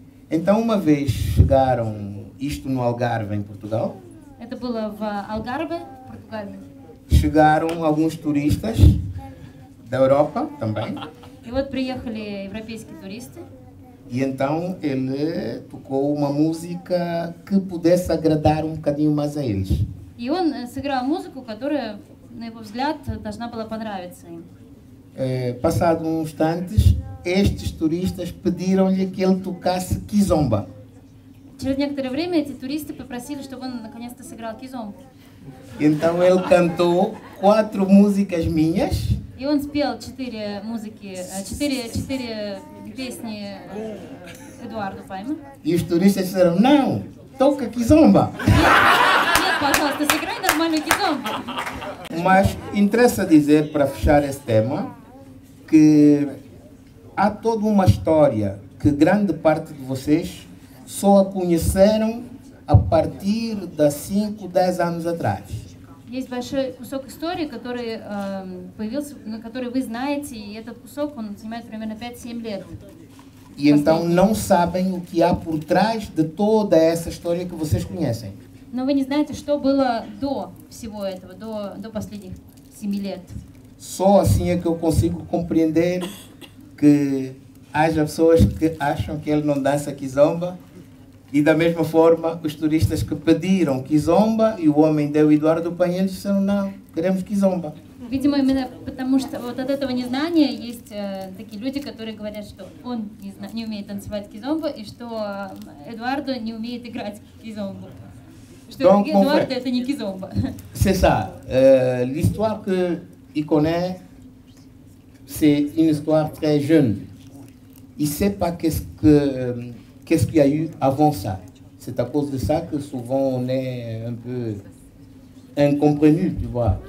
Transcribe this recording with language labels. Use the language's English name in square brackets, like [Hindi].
[Portuguese] Então uma vez chegaram isto no Algarve em Portugal. [Russian] Это было в Алгарве, Португалии. [Portuguese] Chegaram alguns turistas da Europa também. [Russian] И вот приехали европейские туристы. [Portuguese] E então ele tocou uma música que pudesse agradar um bocadinho mais a eles. [Russian] E он сыграл музыку, которая, на его взгляд, должна была понравиться им. [Portuguese] Passado uns instantes, estes turistas pediram-lhe que ele tocasse kizomba. [Russian] Через некоторое время эти туристы попросили, чтобы он наконец-то сыграл кизомбу. [Portuguese] Então ele cantou quatro músicas minhas. [Russian] И он спел четыре музыки, четыре песни Эдуарду Пайма. [Portuguese] И os turistas disseram, não, toca kizomba. [Russian] Нет, пожалуйста, сыграй нормальную кизомбу. [Portuguese] Mas interessa dizer, para fechar esse tema, que há toda uma história que grande parte de vocês só a conheceram a partir de 5, 10 anos atrás. [Russian] Есть большой кусок истории, который появился, на который вы знаете, и этот кусок он занимает примерно 5-7 лет. [Portuguese] И então não sabem o que há por trás de toda essa história que vocês conhecem. [Russian] Но вы не знаете, что было до всего этого, до последних 7 лет. [Portuguese] Só assim é que eu consigo compreender que haja pessoas que acham que ele não dança kizomba. E da mesma forma, os turistas que pediram kizomba e o homem deu Eduardo Paes disseram não, queremos kizomba. [Russian] Видимо, именно потому что вот от этого незнания есть такие люди, которые говорят, что он не умеет танцевать кизомба и что Эдуардо не умеет играть кизомбу. Что Эдуардо это не кизомба. [French] C'est ça. L'histoire que il connaît, c'est une histoire très jeune. Il sait pas qu'est-ce que qu'est-ce qu'il y a eu avant ça? C'est à cause de ça que souvent on est un peu incompris, tu vois.